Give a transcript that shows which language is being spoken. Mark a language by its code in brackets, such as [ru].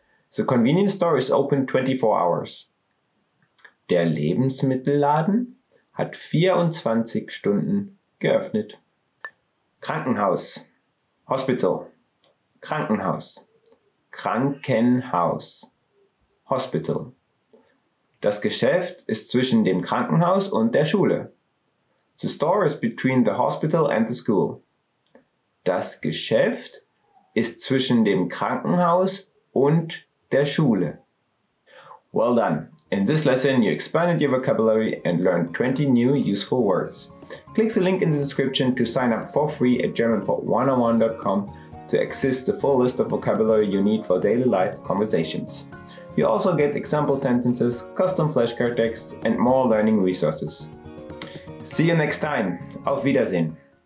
[en] The convenience store is open 24 hours. [de] Der Lebensmittelladen hat 24 Stunden geöffnet. [en] Krankenhaus. Hospital. Krankenhaus. [de] Krankenhaus. Hospital. Das Geschäft ist zwischen dem Krankenhaus und der Schule. [en] The store is between the hospital and the school. [de] Das Geschäft ist zwischen dem Krankenhaus und der Schule. [en] Well done. In this lesson, you expanded your vocabulary and learned 20 new useful words. Click the link in the description to sign up for free at GermanPod101.com to access the full list of vocabulary you need for daily life conversations. You also get example sentences, custom flashcard texts, and more learning resources. See you next time. [de] Auf Wiedersehen.